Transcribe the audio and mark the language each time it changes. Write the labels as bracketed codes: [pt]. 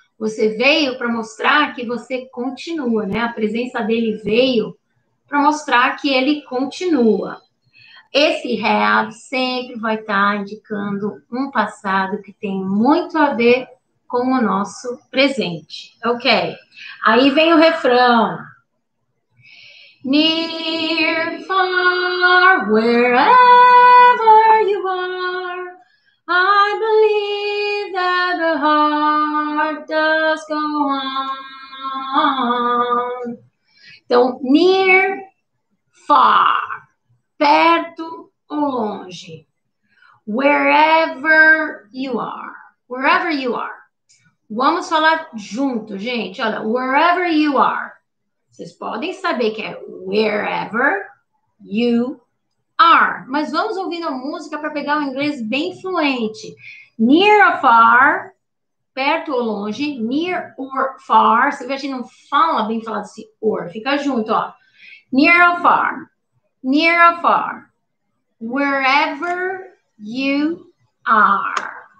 [pt] Você veio para mostrar que você continua, né? A presença dele veio para mostrar que ele continua. Esse have sempre vai estar indicando um passado que tem muito a ver com o nosso presente. Ok. Aí vem o refrão. [en] Near, far, wherever you are, I believe that the heart does go on. Então, near, far, [pt] perto ou longe, [en] wherever you are, wherever you are. [pt] Vamos falar junto, gente, olha, [en] wherever you are. [pt] Vocês podem saber que é [en] wherever you are. [pt] Mas vamos ouvindo a música para pegar o inglês bem fluente. [en] Near or far, [pt] perto ou longe, [en] near or far. [pt] Você vê, a gente não fala bem falado esse or, fica junto, ó. [en] Near or far, near or far, wherever you are.